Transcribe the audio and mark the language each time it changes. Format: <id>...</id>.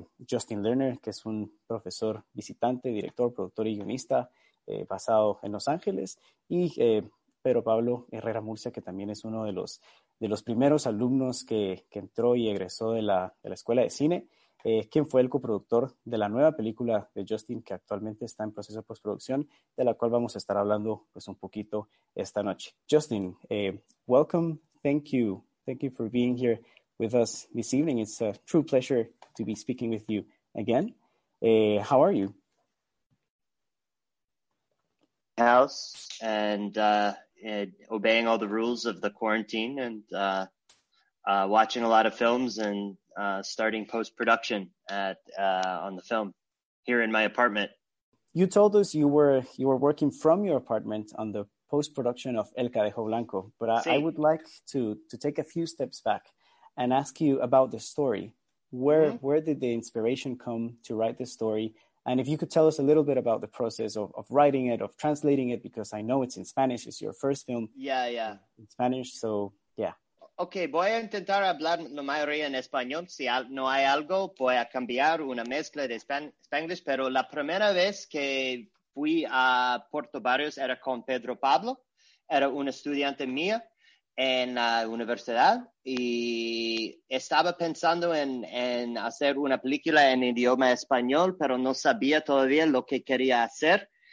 <es>Justin Lerner, que es un profesor visitante, director, productor y guionista basado en Los Ángeles, y Pedro Pablo Herrera Murcia, que también es uno de los primeros alumnos que entró y egresó de la Escuela de Cine, quien fue el coproductor de la nueva película de Justin, que actualmente está en proceso de postproducción, de la cual vamos a estar hablando pues, un poquito esta noche.</es> <en>Justin, welcome, thank you for being here with us this evening. It's a true pleasure to be speaking with you again. How are you? House and obeying all the rules of the quarantine and watching a lot of films and starting post-production at on the film here in my apartment. You told us you were working from your apartment on the post-production of El Cadejo Blanco, but I</en> <es>Sí.</es> <en>would like to take a few steps back and ask you about the story. Where did the inspiration come to write this story? And if you could tell us a little bit about the process of writing it, of translating it, because I know it's in Spanish, it's your first film in Spanish, so yeah.</en> <es>Okay, voy a intentar hablar la mayoría en español. Si no hay algo, voy a cambiar una mezcla de Spanglish. Pero la primera vez que fui a Puerto Barrios era con Pedro Pablo. Era un estudiante mío en la universidad y estaba pensando en hacer una película en idioma español, pero no sabía todavía lo que quería hacer.</es>